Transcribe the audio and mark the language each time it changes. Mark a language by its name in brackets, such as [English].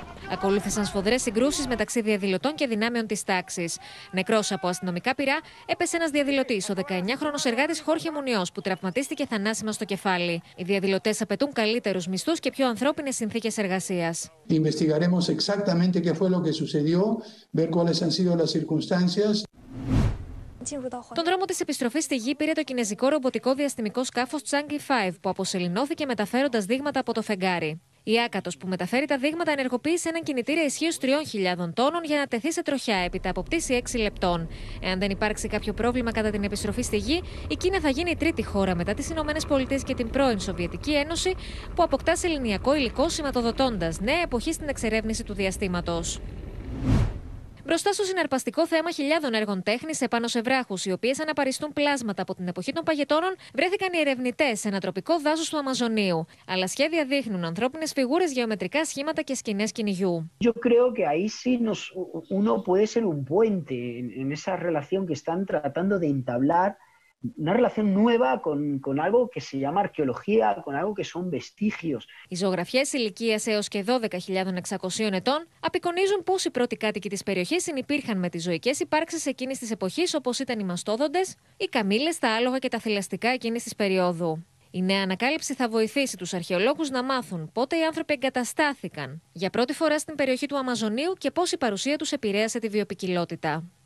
[Greek] Ακολούθησαν σφοδρές συγκρούσεις μεταξύ διαδηλωτών και δυνάμεων της τάξης. Νεκρός από αστυνομικά πυρά έπεσε ένας διαδηλωτής, ο 19χρονος εργάτης Χόρχε Μουνιός, που τραυματίστηκε θανάσιμα στο κεφάλι. Οι διαδηλωτές απαιτούν καλύτερους μισθούς και πιο ανθρώπινες συνθήκες εργασίας. [Spanish] Investigaremos exactamente qué fue lo que sucedió, ver cuáles han sido las circunstancias. [Greek] Τον δρόμο της επιστροφής στη γη πήρε το κινέζικο ρομποτικό διαστημικό σκάφος Chang'e 5, που αποσωληνώθηκε μεταφέροντας δείγματα από το φεγγάρι. Η Άκατος που μεταφέρει τα δείγματα ενεργοποίησε έναν κινητήρα ισχύως 3.000 τόνων για να τεθεί σε τροχιά έπειτα από πτήση 6 λεπτών. Εάν δεν υπάρξει κάποιο πρόβλημα κατά την επιστροφή στη Γη, η Κίνα θα γίνει η τρίτη χώρα μετά τις Ηνωμένες Πολιτείες και την πρώην Σοβιετική Ένωση που αποκτά σεληνιακό υλικό σηματοδοτώντας νέα εποχή στην εξερεύνηση του διαστήματος. Μπροστά στο συναρπαστικό θέμα χιλιάδων έργων τέχνης επάνω σε βράχους, οι οποίες αναπαριστούν πλάσματα από την εποχή των παγετώνων, βρέθηκαν οι ερευνητές σε ένα τροπικό δάσος του Αμαζονίου. Αλλά σχέδια δείχνουν ανθρώπινες φιγούρες, γεωμετρικά σχήματα και σκηνές κυνηγιού. [Spanish] Yo creo que ahí sí nos, uno puede ser un puente en esa relación que están tratando de entablar, una relación nueva con algo que se llama arqueología, con algo que son vestigios. [Greek] Οι ζωγραφιές ηλικίας έως και 12.600 ετών απεικονίζουν πως οι πρώτοι κάτοικοι της περιοχής συνυπήρχαν με τις ζωικές υπάρξεις εκείνης της εποχής, όπως ήταν οι μαστόδοντες, οι καμήλες, τα άλογα και τα θηλαστικά εκείνης της περίοδου. Η νέα ανακάλυψη θα βοηθήσει τους αρχαιολόγους να μάθουν πότε οι άνθρωποι εγκαταστάθηκαν για πρώτη φορά στην περιοχή του Αμαζονίου και πώς η παρουσία τους επηρέασε τη βιοποικιλότητα.